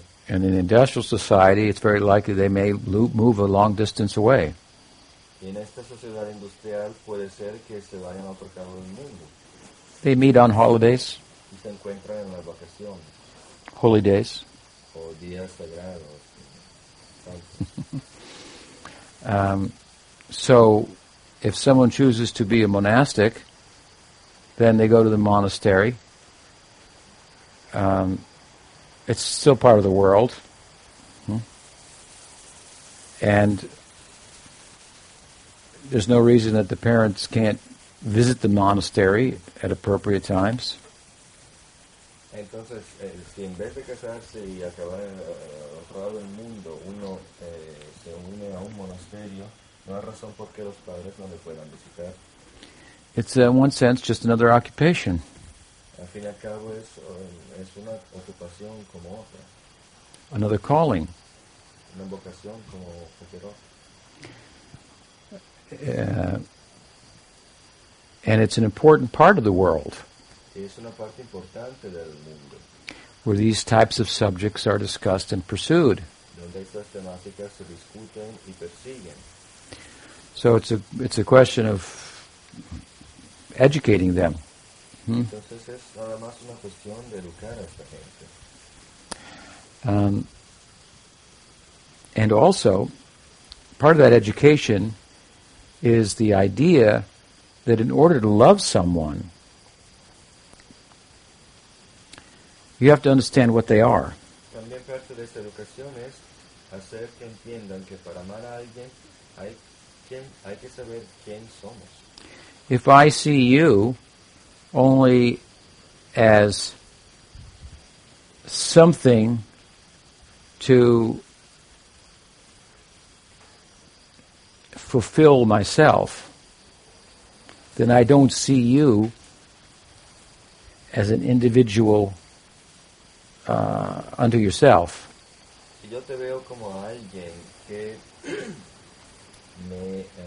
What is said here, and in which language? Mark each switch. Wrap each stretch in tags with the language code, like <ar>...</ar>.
<en>And in industrial society, it's very likely they may move a long distance away.</en> <es>En esta sociedad industrial puede ser que se vayan a otro lado del mundo.</es> <en>They meet on holidays.</en> <es>Y se encuentran en las vacaciones.</es> <en>Holy days.</en> <es>O días sagrados.</es> <en>So, if someone chooses to be a monastic, then they go to the monastery. It's still part of the world. And there's no reason that the parents can't visit the monastery at appropriate times.</en> <es>Entonces, si en vez de casarse y acabar otro lado del mundo, uno se une a un monasterio, no hay razón por qué los padres no le puedan visitar.</es> <en>It's, in one sense, just another occupation.</en> <es>Al fin y al cabo es una ocupación como otra.</es> <en>Another calling.</en> <es>Una vocación como cualquier otra.</es> <en>And it's an important part of the world.</en> <es>Es una parte importante del mundo.</es> <en>Where these types of subjects are discussed and pursued.</en> <es>Donde estas temáticas se discuten y persiguen.</es> <en>So it's a question of educating them.</en> <es>Entonces es nada más una cuestión de educar a esta gente.</es> <en>And also, part of that education is the idea that in order to love someone, you have to understand what they are.</en> <es>También parte de esta educación es hacer que entiendan que para amar a alguien hay que saber quién somos.</es> <en>If I see you only as something to fulfill myself, then I don't see you as an individual unto yourself.</en> <es>Si yo te veo como alguien que me</es>